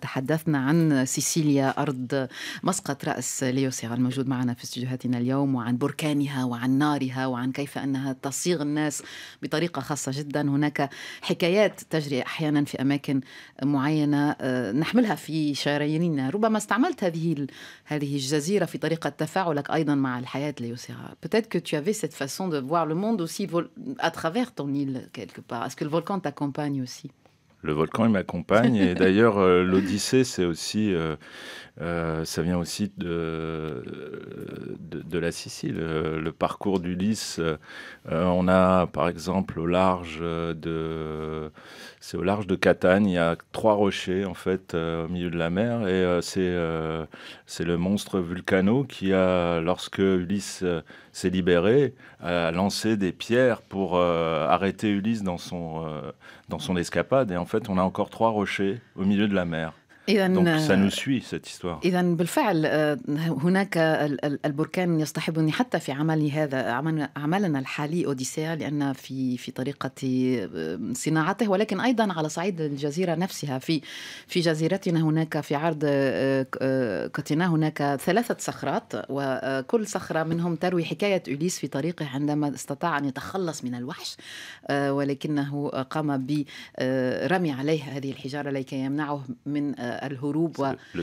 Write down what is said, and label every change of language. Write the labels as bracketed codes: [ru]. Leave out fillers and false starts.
[ar] تحدثنا عن سيسيليا أرض مسقط رأس ليوسي الموجود معنا في استوديوهاتنا اليوم وعن بركانها وعن نارها وعن كيف أنها تصيغ الناس بطريقة خاصة جدا. هناك حكايات تجري أحيانا في أماكن معينة نحملها في شراييننا. ربما استعملت هذه الجزيرة في طريقة تفاعلك أيضا مع الحياة ليوسي. [fr] Peut-être que tu avais cette façon de voir le monde aussi à travers ton île, quelque part. Est-ce que le volcan t'accompagne aussi? Le volcan, il m'accompagne. Et d'ailleurs, l'Odyssée, c'est aussi... ça vient aussi de la Sicile. Le parcours d'Ulysse, on a, par exemple, au large de... C'est au large de Catane. Il y a trois rochers, en fait, au milieu de la mer. Et c'est le monstre Vulcano qui a, lorsque Ulysse s'est libéré, a lancé des pierres pour arrêter Ulysse dans son escapade. Et en fait, on a encore trois rochers au milieu de la mer. Donc ça nous suit, cette histoire. [ar] إذن بالفعل هناك البركان يصطحبني حتى في عملي هذا عملنا الحالي أوديسيا لأن في طريقة صناعته ولكن أيضا على صعيد الجزيرة نفسها في جزيرتنا هناك في عرض كتنا هناك ثلاثة صخرات وكل صخرة منهم تروي حكاية أوليس في طريقه عندما استطاع أن يتخلص من الوحش ولكنه قام برمي عليها هذه الحجارة لكي يمنعه من الهروب